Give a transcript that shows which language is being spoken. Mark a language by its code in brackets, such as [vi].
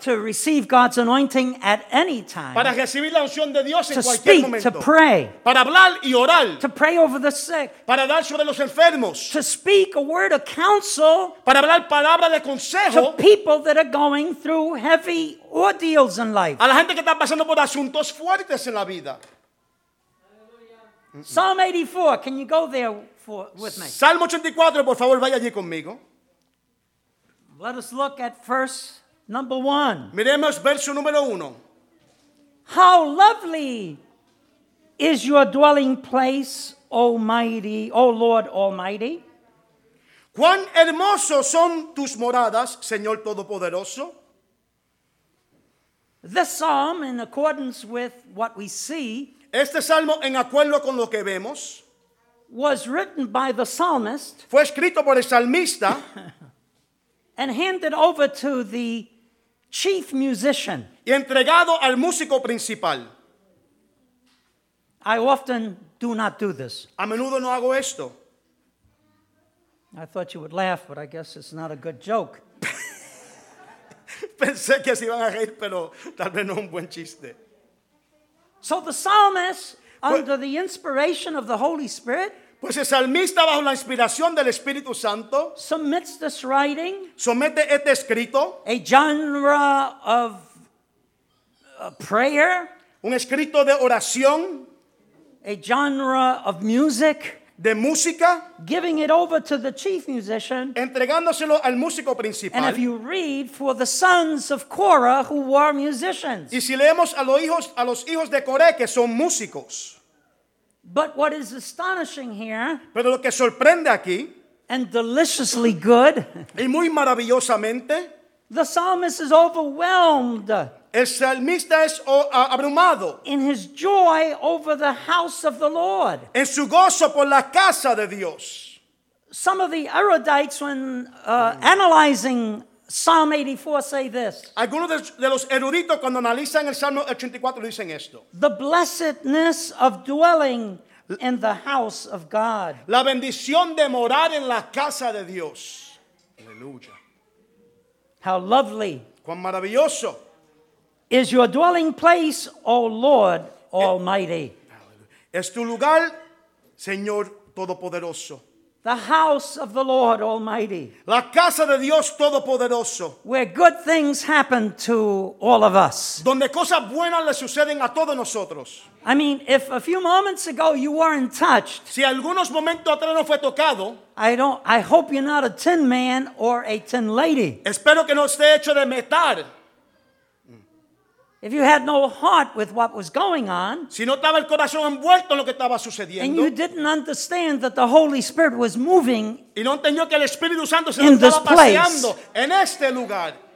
[en] To receive God's anointing at any time. [es] Para recibir la unción de Dios en [en] to [es] cualquier [en] speak, [es] momento. [en] To pray. [es] Para hablar y orar. [en] To pray over the sick. [es] Para hablar sobre los enfermos. [en] To speak a word of counsel. [es] Para hablar palabra de consejo. [en] To people that are going through heavy ordeals in life. [es] A la gente que está pasando por asuntos fuertes en la vida. [en] Psalm 84. Can you go there for, with me? [es] Salmo 84, por favor, vaya allí conmigo. [en] Let us look at verse number one. [es] Miremos verso número uno. [en] How lovely is your dwelling place, O mighty, O Lord Almighty. [es] Cuán hermosos son tus moradas, Señor Todopoderoso. [en] This psalm, in accordance with what we see, [es] este salmo en acuerdo con lo que vemos, [en] was written by the psalmist. [es] Fue escrito por el salmista. [en] And handed over to the chief musician. [es] Y entregado al músico principal. [en] I often do not do this. [es] A menudo no hago esto. [en] I thought you would laugh, but I guess it's not a good joke. [es] Pensé que se iban a reír, pero tal vez no un buen chiste. [en] So the psalmist, under the inspiration of the Holy Spirit, [es] pues el salmista bajo la inspiración del Espíritu Santo [en] submits this writing, [es] somete este escrito, [en] a genre of prayer, [es] un escrito de oración, [en] a genre of music, [es] de música, [en] giving it over to the chief musician, [es] entregándoselo al músico principal. [en] And if you read for the sons of Korah who were musicians, [es] y si leemos a los hijos de Coré que son músicos. [en] But what is astonishing here, [es] pero lo que sorprende aquí, [en] and deliciously good, [es] y muy maravillosamente, [en] the psalmist is overwhelmed. [es] El salmista es abrumado. [en] In his joy over the house of the Lord. [es] En su gozo por la casa de Dios. [en] Some of the erudites, when analyzing Psalm 84, say this. [es] Algunos de los eruditos cuando analizan el Salmo 84 dicen esto. [en] The blessedness of dwelling in the house of God. [es] La bendición de morar en la casa de Dios. Aleluya. [en] How lovely. [es] Cuán maravilloso. [en] Is your dwelling place, O Lord Almighty. [es] Es tu lugar, Señor Todopoderoso. [en] The house of the Lord Almighty. [es] La casa de Dios Todopoderoso. [en] Where good things happen to all of us. [es] Donde cosas buenas le suceden a todos nosotros. [en] I mean, if a few moments ago you weren't touched. [es] Si algunos momentos atrás no fue tocado. [en] I hope you're not a tin man or a tin lady. [es] Espero que no esté hecho de metal. [en] If you had no heart with what was going on, [es] si no estaba el corazón envuelto en lo que estaba sucediendo, [en] and you didn't understand that the Holy Spirit was moving [es] y no entendió que el Espíritu Santo se estaba paseando en este lugar,